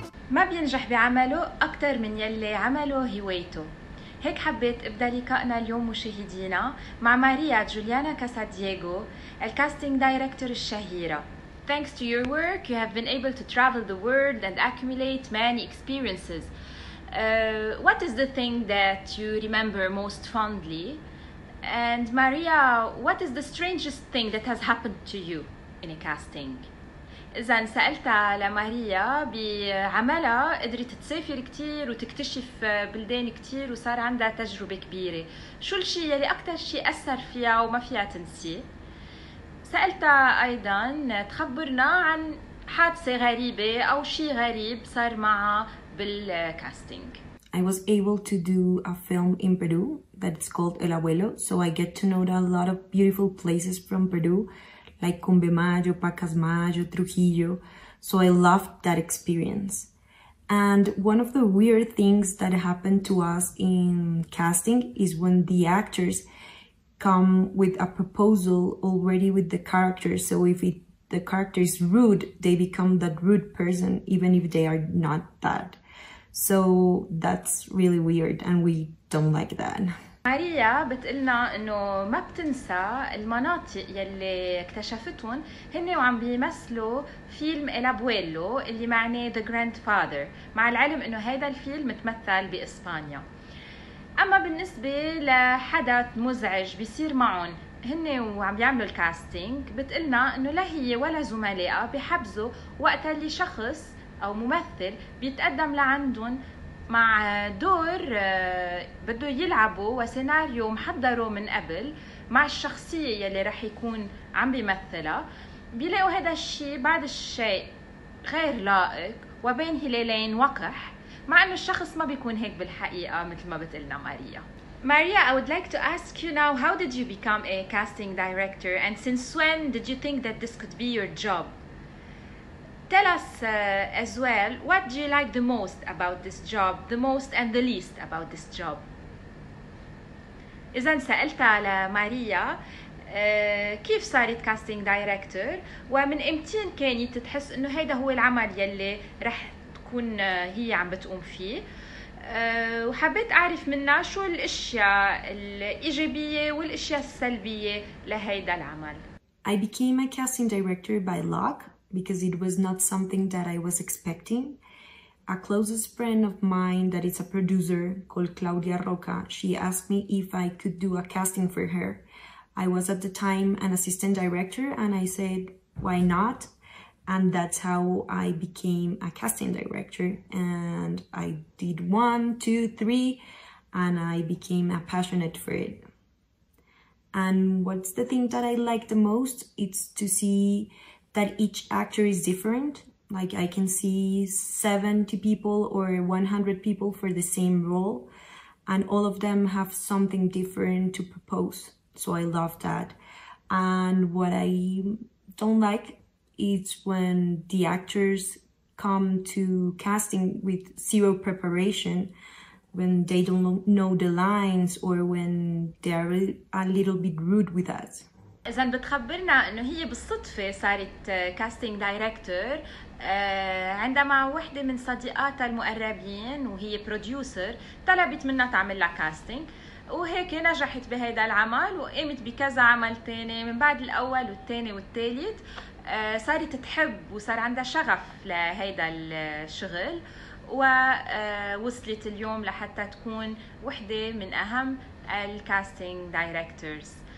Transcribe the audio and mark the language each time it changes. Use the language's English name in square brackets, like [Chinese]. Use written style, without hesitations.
[Arabic] ما بينجح بعمله أكتر من يلي عمله هوايته. هيك حبيت ابدا لقائنا اليوم مشاهدينا مع ماريا جوليانا كاسادييغو الكاستينج دايركتور الشهيره. [English] Thanks to your work you have been able to travel the world and accumulate many experiences. What is the thing that you remember most fondly? And Maria, what is the strangest thing that has happened to you in a casting? [Arabic] إذا سألتها لماريا بعملها قدرت تسافر كتير وتكتشف بلدان كتير وصار عندها تجربة كبيرة. شو الشيء يلي أكتر شيء أثر فيها وما فيها تنسيه؟ سألتها أيضا تخبرنا عن حادثة غريبة أو شيء غريب صار معها بالكاستينج. [English] I was able to do a film in Peru that is called El Abuelo, so I get to know a lot of beautiful places from Peru, like Cumbemayo, Pacasmayo, Trujillo. So I loved that experience. And one of the weird things that happened to us in casting is when the actors come with a proposal already with the character. So if the character is rude, they become that rude person, even if they are not that. So that's really weird and we don't like that. [Arabic] ماريا بتقلنا انه ما بتنسى المناطق يلي اكتشفتهم هني وعم بيمثلوا فيلم الابويلو اللي معناه [English] The Grandfather، [Arabic] مع العلم انه هذا الفيلم تمثل باسبانيا. اما بالنسبة لحدث مزعج بيصير معهم هني وعم بيعملوا الكاستينج بتقلنا انه لا هي ولا زملائها بحبزوا وقت اللي شخص او ممثل بيتقدم لعندهم مع دور بده يلعبه وسيناريو محضره من قبل مع الشخصية يلي رح يكون عم بيمثلها، بيلاقوا هذا الشيء بعد الشيء غير لائق وبين هلالين وقح، مع انه الشخص ما بيكون هيك بالحقيقة مثل ما بتقلنا ماريا. [English] Maria, I would like to ask you now, how did you become a casting director and since when did you think that this could be your job? Tell us as well, what do you like the most about this job, the most and the least about this job? [Arabic] إذا سألت على ماريا كيف صارت كاستينج دايركتور ومن إمتين كانت تحس إنه هذا هو العمل يلي رح تكون هي عم بتقوم فيه، وحبيت أعرف منها شو الأشياء الإيجابية والأشياء السلبية لهيدا العمل. [English] I became a casting director by luck. Because it was not something that I was expecting. A closest friend of mine that is a producer called Claudia Roca, she asked me if I could do a casting for her. I was at the time an assistant director and I said, why not? And that's how I became a casting director. And I did 1, 2, 3 and I became passionate for it. And what's the thing that I like the most? It's to see that each actor is different. Like I can see 70 people or 100 people for the same role and all of them have something different to propose. So I love that. And what I don't like is when the actors come to casting with zero preparation, when they don't know the lines or when they're a little bit rude with us. [Arabic] إذا بتخبرنا إنه هي بالصدفة صارت كاستينج دايركتور عندما وحدة من صديقاتها المقربين وهي بروديوسر طلبت منها تعمل لها كاستينج، وهيك نجحت بهذا العمل وقامت بكذا عمل تاني من بعد الأول والتاني والتالت، صارت تحب وصار عندها شغف لهذا الشغل ووصلت اليوم لحتى تكون وحدة من أهم الكاستينج دايركتورز.